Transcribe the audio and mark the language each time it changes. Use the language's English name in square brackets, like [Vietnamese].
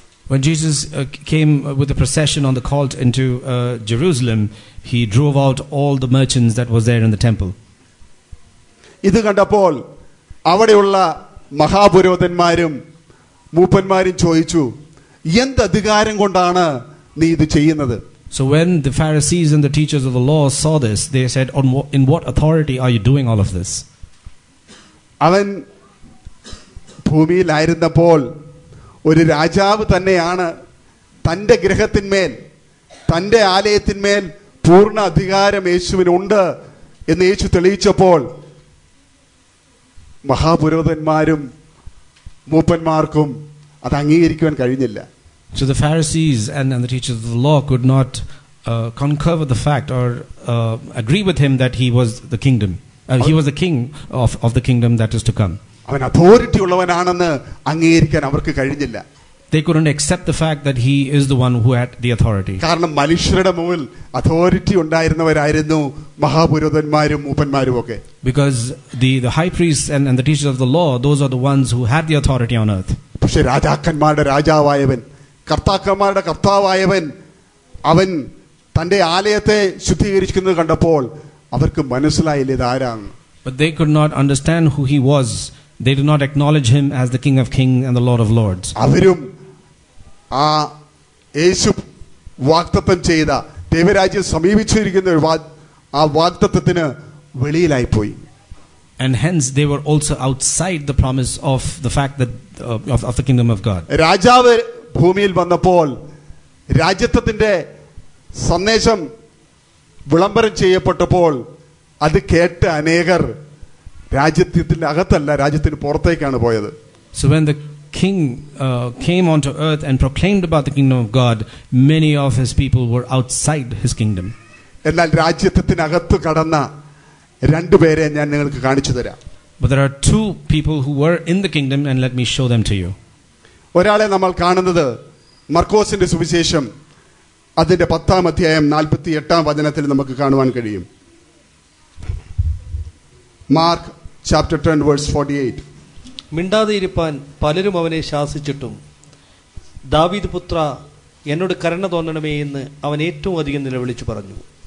[English] When Jesus came with the procession on the colt into Jerusalem, he drove out all the merchants that was there in the temple. [Malayalam] ഇതു കണ്ടപ്പോൾ അവിടെയുള്ള മഹാപുരോഹിതന്മാരും മൂപ്പന്മാരും ചോദിച്ചു, എന്ത് അധികാരം കൊണ്ടാണ് നീ ഇത് ചെയ്യുന്നത്? [English] So when the Pharisees and the teachers of the law saw this, they said, in what authority are you doing all of this? [Malayalam] അവൻ ഭൂമിയിലായിരുന്നപ്പോൾ ഒരു രാജാവ് തന്നെയാണ് തന്റെ ഗ്രഹത്തിന്മേൽ തന്റെ ആലയത്തിന്മേൽ പൂർണ്ണ അധികാരം യേശുവിനുണ്ട് എന്ന് യേശു തെളിയിച്ചപ്പോൾ മഹാപുരോഹിതന്മാരും മൂപ്പന്മാർക്കും അത് അംഗീകരിക്കാൻ കഴിഞ്ഞില്ല. [English] So the Pharisees and the teachers of the law could not concur with the fact or agree with him that he was the king of the kingdom that is to come. [Malayalam] അവൻ authority ഉള്ളവനാണെന്ന് അംഗീകരിക്കാൻ അവർക്ക് കഴിഞ്ഞില്ല. [English] They couldn't accept the fact that he is the one who had the authority. [Malayalam] കാരണം മനുഷ്യരുടെ മുമ്പിൽ authority ഉണ്ടായിരുന്നവരായിരുന്നു മഹാപുരോഹിതന്മാരും മൂപ്പന്മാരും ഒക്കെ. [English] Because the high priests and the teachers of the law, those are the ones who had the authority on earth. [Malayalam] പക്ഷേ രാജാക്കന്മാരുടെ രാജാവായവൻ, കർത്താക്കന്മാരുടെ കർത്താവായവൻ അവൻ തന്റെ ആലയത്തെ ശുദ്ധീകരിക്കുന്നത് കണ്ടപ്പോൾ അവർക്ക് മനസ്സിലായില്ല ഇത് ആരാണ്. [English] But they could not understand who he was. They did not acknowledge him as the King of Kings and the Lord of Lords. [Malayalam] അവരും ആ യേശു വാഗ്ദത്തം ചെയ്ത ദൈവരാജ്യം സമീപിച്ചിരിക്കുന്ന ആ വാഗ്ദത്തത്തിന് വെളിയിലായി പോയി. [English] And hence they were also outside the promise of the fact that of the kingdom of God. [Malayalam] രാജാവ് ഭൂമിയിൽ വന്നപ്പോൾ രാജ്യത്തിന്റെ സന്ദേശം വിളംബരം ചെയ്യപ്പെട്ടപ്പോൾ അത് കേട്ട അനേകർ രാജ്യത്തിന്റെ അകത്തല്ല രാജ്യത്തിന് പുറത്തേക്കാണ് പോയത്. [English] So when the king came onto earth and proclaimed about the kingdom of God, many of his people were outside his kingdom. [Malayalam] എന്നാൽ രാജ്യത്തിന് അകത്ത് കടന്ന രണ്ടു പേരെ ഞാൻ നിങ്ങൾക്ക് കാണിച്ചു തരാം. [English] But there are two people who were in the kingdom, and let me show them to you. [Malayalam] ഒരാളെ നമ്മൾ കാണുന്നത് മർക്കോസിന്റെ സുവിശേഷം അതിന്റെ 10 അധ്യായം 48 വചനത്തിൽ നമുക്ക് കാണുവാൻ കഴിയും. [English] Mark chapter 10 verse 48. [Malayalam] മിണ്ടാതെ ഇരിപ്പാൻ പലരും അവനെ ശാസിച്ചിട്ടും ദാവീദ് പുത്ര എന്നോട് കരുണ തോന്നണമേ എന്ന് അവൻ ഏറ്റവും അധികം നിലവിളിച്ചു പറഞ്ഞു.